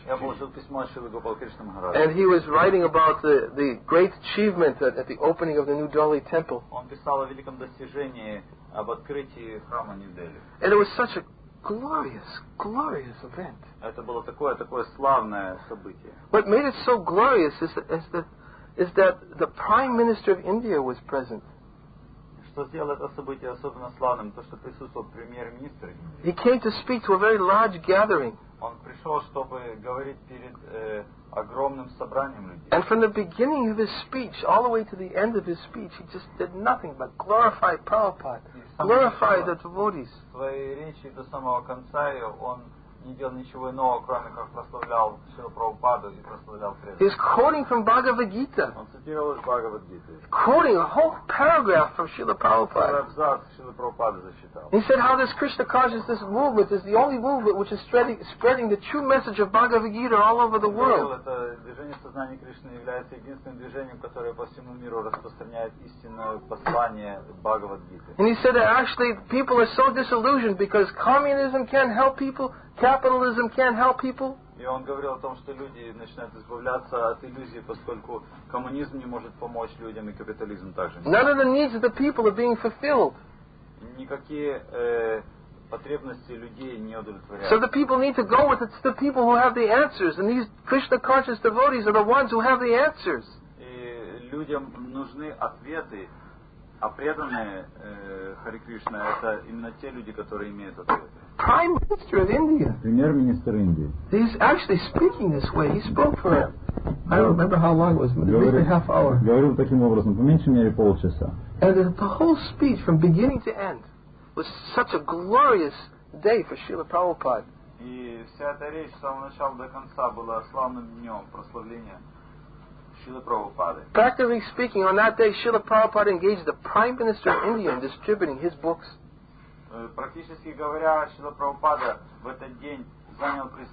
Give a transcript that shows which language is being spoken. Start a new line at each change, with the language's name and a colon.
Russian: Я получил письмо от Шрилы Гопал Кришна Махараджа.
English: And he was writing about the great achievement at the opening of the New Delhi temple.
Russian: Он писал о великом достижении. Об открытии храма Нью-Дели.
English: And it was such a glorious event.
Russian: Это было такое славное событие.
English: What made it so glorious is that the Prime Minister of India was present.
Russian: Что сделало это событие особенно славным, то что присутствовал премьер-министр.
English: He came to speak to a very large gathering.
Russian: Он пришел, чтобы говорить перед огромным собранием людей.
English: And from the beginning of his speech, all the way to the end of his speech, he just did nothing but glorify Prabhupada, glorify the devotees.
Russian: В своей речи до самого конца он не делал ничего иного, кроме как прославлял Шрилу Прабхупаду и прославлял преданных.
English: He's quoting from Bhagavad Gita.
Russian: Он цитировал из Бхагавад Гиты.
English: Quoting a whole paragraph from Шрилу Прабхупаду.
Russian: Абзац Шрилы Прабхупады зачитал.
English: He said how this Krishna consciousness movement is the only movement which is spreading the true message of Bhagavad Gita all over the world.
Russian: Это движение сознания Кришны является единственным движением, которое по всему миру распространяет истинное послание Бхагавад Гиты.
English: And he said that actually people are so disillusioned because communism can't help people. Capitalism can't help people.
Russian: И он говорил о том, что люди начинают избавляться от иллюзии, поскольку коммунизм не может помочь людям, и капитализм также.
English: None of the needs of the people are being fulfilled.
Russian: Никакие потребности людей не удовлетворяются.
English: So the people need to go with it. It's the people who have the answers, and these Krishna conscious devotees are the ones who have the answers.
Russian: И людям нужны ответы. А преданные Хари Кришна это именно те люди, которые имеют ответы.
English: Prime Minister of India.
Russian: Премьер-министр Индии.
English: He's actually speaking this way. He spoke for him. Yeah. I don't remember how long it was, but at least a half hour.
Russian: Говорил таким образом, по меньшей мере полчаса.
English: And the whole speech from beginning to end was such a glorious day for Srila Prabhupada.
Russian: И вся эта речь с самого начала до конца была славным днем прославления.
English: Practically speaking, on that day, Srila Prabhupada engaged the Prime Minister of India in distributing his books.
Russian: Практически говоря, Шрила Прабхупада в этот день занял